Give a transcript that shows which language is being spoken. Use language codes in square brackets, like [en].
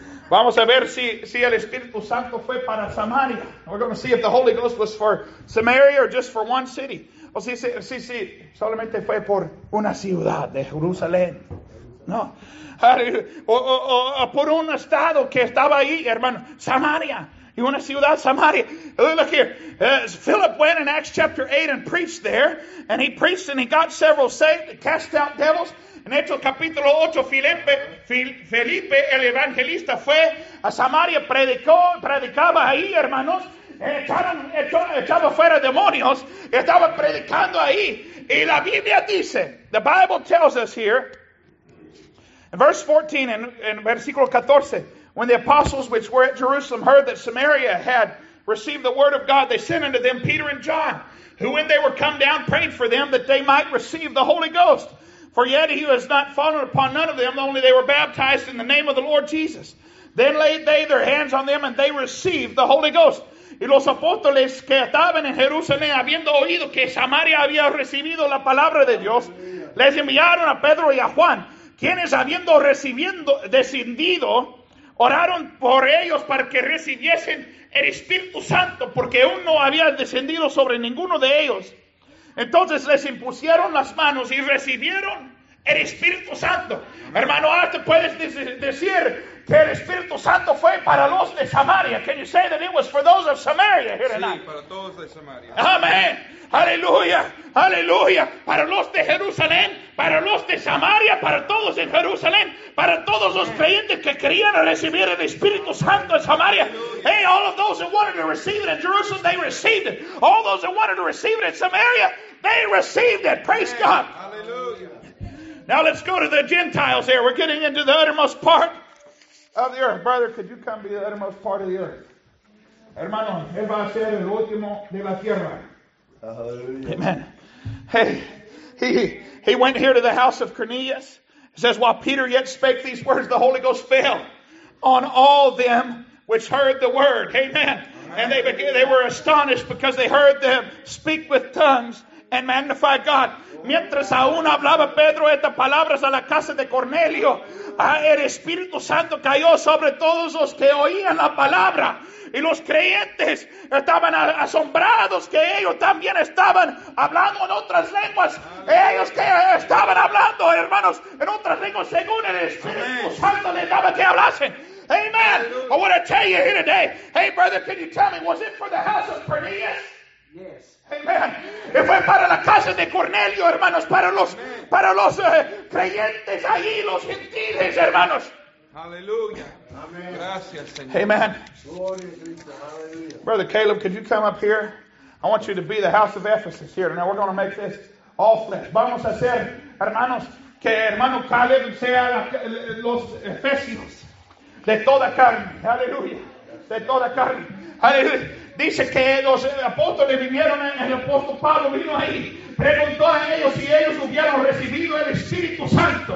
[es] Vamos a ver si el Espíritu Santo fue para Samaria. [en] We're going to see if the Holy Ghost was for Samaria or just for one city. [es] O si solamente fue por una ciudad de Jerusalén. No. O por un estado que estaba ahí, hermano. [en] Samaria. You want a ciudad, Samaria? Look here. Philip went in Acts chapter 8 and preached there. And he preached and he got several saved, cast out devils. [es] En Hechos capítulo 8, Felipe, el evangelista, fue a Samaria, predicaba ahí, hermanos. Echaba fuera demonios. Estaba predicando ahí. Y la Biblia dice, [en] the Bible tells us here, in verse 14, in versículo 14, when the apostles which were at Jerusalem heard that Samaria had received the word of God, they sent unto them Peter and John, who when they were come down prayed for them that they might receive the Holy Ghost. For yet he was not fallen upon none of them, only they were baptized in the name of the Lord Jesus. Then laid they their hands on them, and they received the Holy Ghost. [es] Y los apóstoles que estaban en Jerusalén, habiendo oído que Samaria había recibido la palabra de Dios, les enviaron a Pedro y a Juan, quienes habiendo descendido, oraron por ellos para que recibiesen el Espíritu Santo, porque aún no había descendido sobre ninguno de ellos. Entonces les impusieron las manos y recibieron el Espíritu Santo. Hermano, ¿te puedes decir que el Espíritu Santo fue para los de Samaria? [en] Can you say that it was for those of Samaria here tonight? [es] Sí, para todos de Samaria. Amén. Aleluya. Aleluya. Para los de Jerusalén, para los de Samaria, para todos en Jerusalén, para todos los creyentes que querían recibir el Espíritu Santo en Samaria. [en] Hey, all of those who wanted to receive it in Jerusalem, they received it. All those who wanted to receive it in Samaria, they received it. Praise God. [es] Aleluya. [en] Now let's go to the Gentiles here. We're getting into the uttermost part of the earth. Brother, could you come to the uttermost part of the earth? [es] Hermano, él va a ser el último de la tierra. Amen. [en] Hey, he went here to the house of Cornelius. It says, while Peter yet spake these words, the Holy Ghost fell on all them which heard the word. Amen. And they were astonished because they heard them speak with tongues and magnify God. [es] Mientras aún hablaba Pedro estas palabras a la casa de Cornelio, el Espíritu Santo cayó sobre todos los que oían la palabra. Y los creyentes estaban asombrados que ellos también estaban hablando en otras lenguas. Ellos que estaban hablando, hermanos, en otras lenguas según el Espíritu Santo les daba que hablasen. [en] Amen. I want to tell you here today. Hey, brother, can you tell me, was it for the house of Cornelius? Yes. Amen. [es] Y fue para la casa de Cornelio, hermanos, para los creyentes ahí, los gentiles, hermanos. Hallelujah. Amen. Gracias, Señor. [en] Amen. Brother Caleb, could you come up here? I want you to be the house of Ephesus here. Now we're going to make this all flesh. [es] Vamos a hacer, hermanos, que hermano Caleb sea los Efesios de toda carne. Hallelujah. De toda carne. Hallelujah. Dice que los apóstoles vinieron, el apóstol Pablo vino ahí. Preguntó a ellos si ellos hubieran recibido el Espíritu Santo.